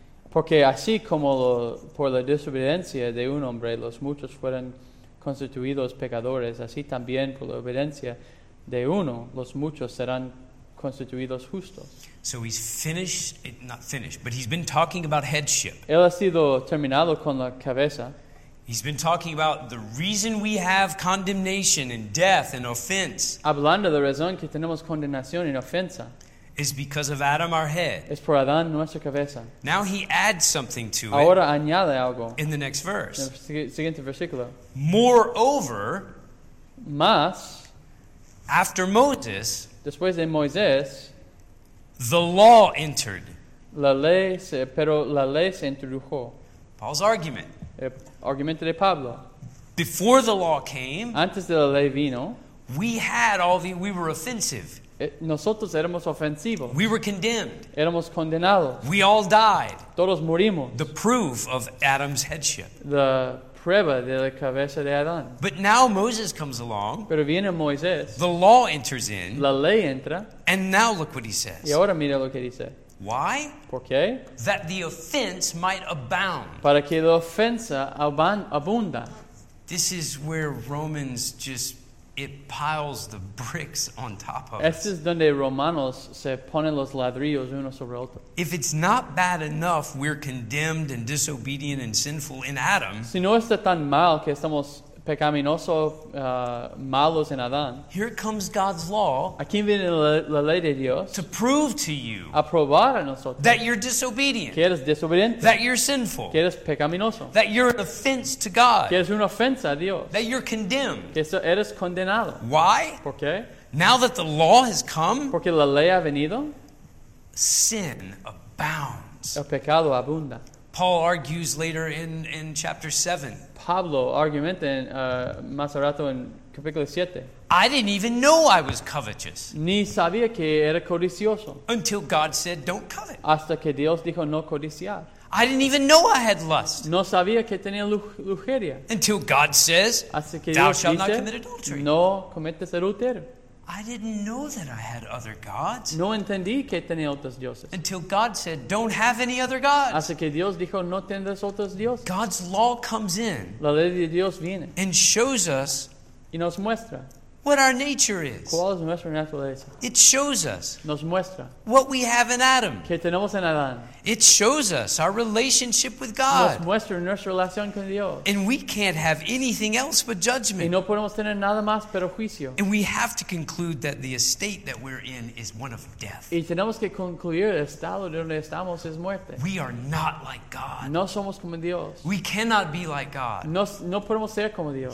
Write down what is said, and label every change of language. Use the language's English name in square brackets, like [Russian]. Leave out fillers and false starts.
[Spanish] Porque así como por la desobediencia de un hombre los muchos fueron constituidos pecadores, así también por la obediencia de uno los muchos serán constituidos justos. [English] So he's finished, not finished, but he's been talking about headship. [Spanish] Él ha sido terminado con la cabeza. [English] He's been talking about the reason we have condemnation and death and offense. [Spanish] Hablando de la razón que tenemos condenación y ofensa. [English] Is because of Adam, our head. [Spanish] Es por Adán, nuestra cabeza. [English] Now he adds something to [Spanish] ahora [English] it. [Spanish] Ahora añade algo. [English] In the next verse. [Spanish] En el siguiente versículo. [English] Moreover. [Spanish] Más. [English] After Moses. [Spanish] Después de Moisés. [English] The law entered. [Spanish] La ley se introdujo. [English] Paul's argument. [Spanish] Argumento de Pablo. [English] Before the law came, [Spanish] antes de la ley vino, [English] we were offensive. [Spanish] Nosotros éramos ofensivos. [English] We were condemned. [Spanish] Éramos condenados. [English] We all died. [Spanish] Todos morimos. [English] The proof of Adam's headship. [Spanish] La prueba de la cabeza de Adán. [English] But now Moses comes along. [Spanish] Pero viene Moisés. [English] The law enters in. [Spanish] La ley entra. [English] And now look what he says. [Spanish] Y ahora mira lo que dice. [English] Why? [Spanish] ¿Por qué? [English] That the offense might abound. [Spanish] Para que la ofensa abunda. [English] This is where Romans just, it piles the bricks on top of us. [Spanish] Este es donde Romanos se pone los ladrillos uno sobre otro. [English] If it's not bad enough, we're condemned and disobedient and sinful in Adam. [Spanish] Si no está tan mal que estamos pecaminosos, malos en Adán. [English] Here comes God's law. [Spanish] Aquí viene la ley de Dios. [English] To prove to you. [Spanish] A probar a nosotros. [English] That you're disobedient. [Spanish] Que eres desobediente. [English] That you're sinful. [Spanish] Que eres pecaminoso. [English] That you're an offense to God. [Spanish] Que eres una ofensa a Dios. [English] That you're condemned. [Spanish] Que eres condenado. [English] Why? [Spanish] ¿Por qué? [English] Now that the law has come. [Spanish] Porque la ley ha venido. [English] Sin abounds. [Spanish] El pecado abunda. [English] Paul argues later in chapter 7. [Spanish] Pablo argumenta más al rato en capítulo 7. [English] I didn't even know I was covetous. [Spanish] Ni sabía que era codicioso. [English] Until God said, don't covet. [Spanish] Hasta que Dios dijo, no codiciar. [English] I didn't even know I had lust. [Spanish] No sabía que tenía lujuria. [English] Until God says, [Spanish] hasta que [English] thou [Spanish] Dios [English] shalt [Spanish] dice, [English] not commit adultery. [Spanish] No cometes adulterio. [English] I didn't know that I had other gods. [Spanish] No entendí que tenía otros dioses. [English] Until God said, don't have any other gods. [Spanish] Hasta que Dios dijo, no tendrás otros dioses. [English] God's law comes in. [Spanish] La ley de Dios viene. [English] And shows us. [Spanish] Y nos muestra. [English] What our nature is. [Spanish] ¿Cuál es nuestra naturaleza? [English] It shows us. [Spanish] Nos muestra. [English] What we have in Adam. [Spanish] ¿Qué tenemos en Adán? [English] It shows us our relationship with God. [Spanish] Nos muestra nuestra relación con Dios. [English] And we can't have anything else but judgment. [Spanish] Y no podemos tener nada más pero juicio. [English] And we have to conclude that the estate that we're in is one of death. [Spanish] Y tenemos que concluir el estado donde estamos es muerte. [English] We are not like God. [Spanish] No somos como Dios. [English] We cannot be like God. [Spanish] No podemos ser como Dios.